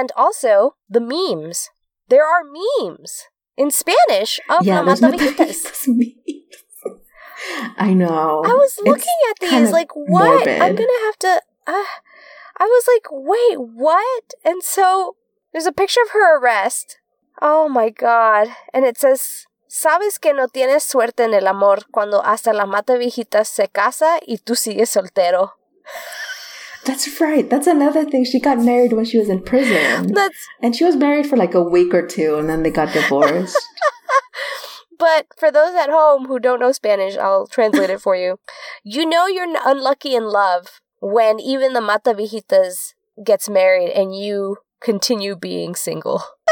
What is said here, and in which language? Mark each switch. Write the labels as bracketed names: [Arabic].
[English] And also, the memes. There are memes in Spanish of Mamatavitas. I know. I was looking at these, like, what? Morbid. I'm going to have to... I was like, wait, what? And so there's a picture of her arrest. Oh my God. And it says, [Spanish] ¿Sabes que no tienes suerte en el amor cuando hasta la mata viejita se casa y tú sigues soltero? [English] That's right. That's another thing. She got married when she was in prison. And she was married for like a week or two, and then they got divorced. But for those at home who don't know Spanish, I'll translate it for you. You know you're unlucky in love when even the Mata Viejitas gets married and you continue being single.